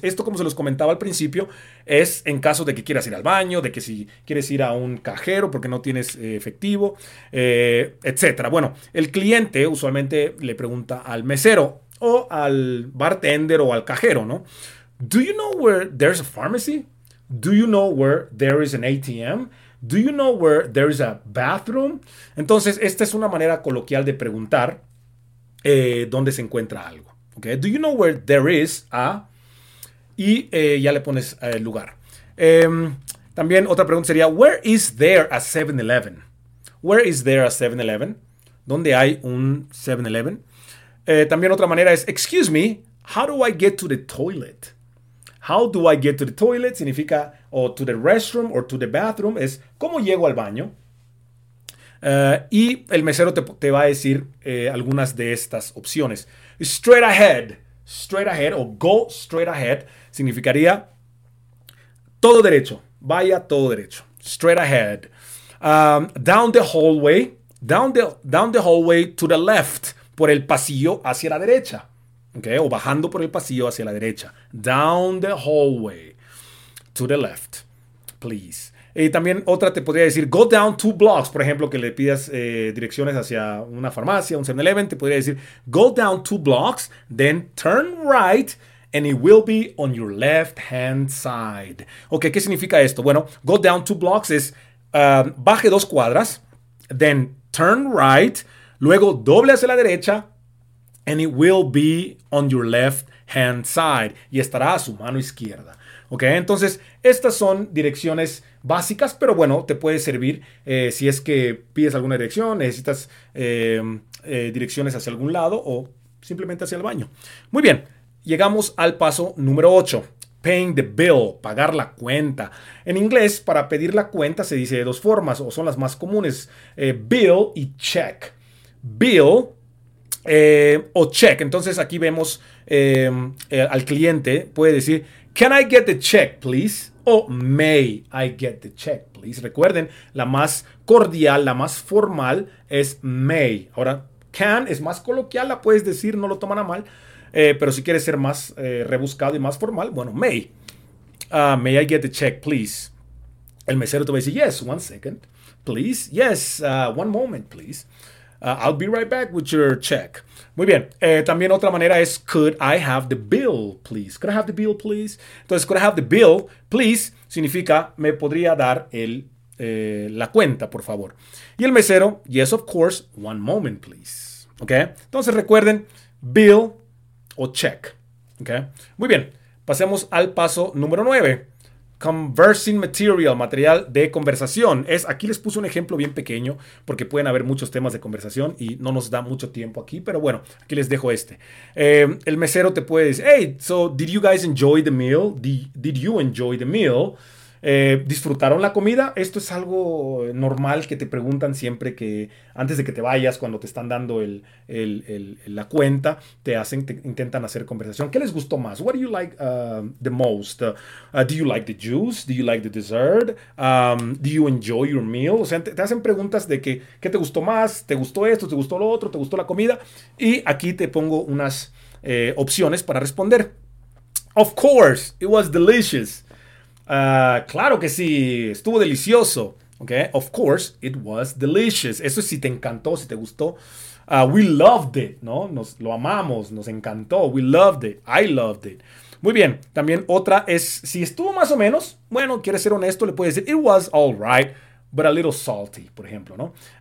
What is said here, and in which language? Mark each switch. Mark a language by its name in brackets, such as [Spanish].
[Spanish] Esto, como se los comentaba al principio, es en caso de que quieras ir al baño, de que si quieres ir a un cajero porque no tienes efectivo, etcétera. Bueno, el cliente usualmente le pregunta al mesero o al bartender o al cajero, ¿no? [English] Do you know where there's a pharmacy? Do you know where there is an ATM? Do you know where there is a bathroom? [Spanish] Entonces, esta es una manera coloquial de preguntar dónde se encuentra algo. [English] Okay? Do you know where there is a... [Spanish] Y ya le pones el lugar. También otra pregunta sería, [English] where is there a 7-Eleven? Where is there a 7-Eleven? [Spanish] ¿Dónde hay un 7-Eleven? También otra manera es, [English] excuse me, how do I get to the toilet? How do I get to the toilet? [Spanish] Significa, o [English] to the restroom, or to the bathroom. [Spanish] Es, ¿cómo llego al baño? Y el mesero te va a decir algunas de estas opciones. [English] Straight ahead. Straight ahead, o go straight ahead. [Spanish] Significaría, todo derecho. Vaya todo derecho. [English] Straight ahead. Down the hallway. Down the hallway to the left. [Spanish] Por el pasillo hacia la derecha. Okay, o bajando por el pasillo hacia la derecha. [English] Down the hallway to the left, please. [Spanish] Y también otra te podría decir, [English] go down two blocks. [Spanish] Por ejemplo, que le pidas direcciones hacia una farmacia, un 7-Eleven, te podría decir, [English] go down two blocks, then turn right, and it will be on your left-hand side. [Spanish] Ok, ¿qué significa esto? Bueno, [English] go down two blocks [Spanish] es baje dos cuadras, [English] then turn right, [Spanish] luego doble hacia la derecha, [English] and it will be on your left hand side. [Spanish] Y estará a su mano izquierda. Ok, entonces estas son direcciones básicas, pero bueno, te puede servir si es que pides alguna dirección, necesitas direcciones hacia algún lado o simplemente hacia el baño. Muy bien, llegamos al paso número 8. [English] Paying the bill, [Spanish] pagar la cuenta. En inglés, para pedir la cuenta se dice de dos formas, o son las más comunes, bill y check. Bill o check. Entonces aquí vemos al cliente puede decir, [English] can I get the check, please? O may I get the check, please? [Spanish] Recuerden, la más cordial, la más formal es may. Ahora, can es más coloquial, la puedes decir, no lo toman a mal. Pero si quieres ser más rebuscado y más formal, bueno, may. [English] May I get the check, please? [Spanish] El mesero te va a decir, [English] yes, one second, please. Yes, one moment, please. I'll be right back with your check. [Spanish] Muy bien. También otra manera es, [English] could I have the bill, please? Could I have the bill, please? Entonces, could I have the bill, please? [Spanish] Significa, me podría dar la cuenta, por favor. Y el mesero, [English] yes, of course, one moment, please. ¿Ok? [Spanish] Entonces, recuerden, bill o check. ¿Ok? Muy bien. Pasemos al paso número 9. [English] Conversing material, [Spanish] material de conversación. Aquí les puse un ejemplo bien pequeño porque pueden haber muchos temas de conversación y no nos da mucho tiempo aquí, pero bueno, aquí les dejo este. El mesero te puede decir, [English] hey, so did you guys enjoy the meal? Did you enjoy the meal? [Spanish] ¿Disfrutaron la comida? Esto es algo normal que te preguntan siempre que antes de que te vayas, cuando te están dando la cuenta, intentan hacer conversación. ¿Qué les gustó más? [English] What do you like the most? Do you like the juice? Do you like the dessert? Do you enjoy your meal? [Spanish] O sea, te hacen preguntas de que, ¿qué te gustó más? ¿Te gustó esto? ¿Te gustó lo otro? ¿Te gustó la comida? Y aquí te pongo unas opciones para responder. [English] Of course, it was delicious. [Spanish] Claro que sí, estuvo delicioso. [English] Okay, of course, it was delicious. [Spanish] Eso es si te encantó, si te gustó. [English] We loved it, [Spanish] ¿no? Lo amamos, nos encantó. [English] We loved it, I loved it. [Spanish] Muy bien, también otra es si estuvo más o menos. Bueno, quieres ser honesto, le puedes decir [English] it was all right, but a little salty, [Spanish] por ejemplo, ¿no?